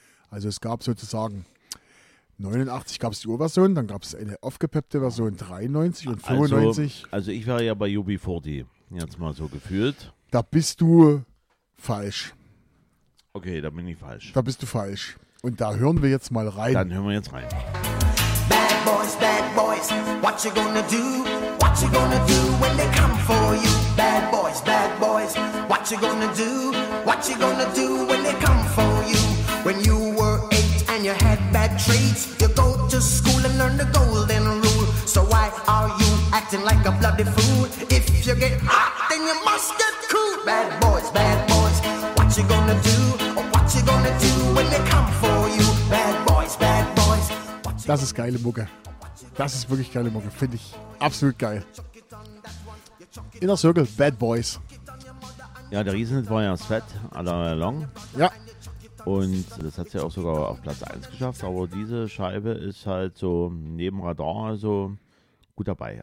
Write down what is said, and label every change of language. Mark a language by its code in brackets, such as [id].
[de] Also es gab sozusagen, 89 gab es die Urversion, dann gab es eine aufgepeppte Version, 93 und 95. Also ich wäre ja bei UB40 jetzt mal so gefühlt. Da bist du falsch. Okay, da bin ich falsch. Da bist du falsch. Und da hören wir jetzt mal rein. Dann hören wir jetzt rein. [en] Bad boys, what you gonna do? What you gonna do when they come for you? Bad boys, what you gonna do? What you gonna do when they come for you? When you were 8 and you had bad traits, you go to school and learn the golden rule. So why are you acting like a bloody fool? If you get hot, then you must get cool. Bad boys, what you gonna do? What you gonna do when they come for you? Bad boys, what you gonna do? [de] Das ist geile Mucke. Das ist wirklich geile Mucke, finde ich absolut geil. Inner Circle, Bad Boys. Ja, der Riesenhit war ja Sweat All Along. Ja. Und das hat sie auch sogar auf Platz 1 geschafft. Aber diese Scheibe ist halt so neben Radar also gut dabei.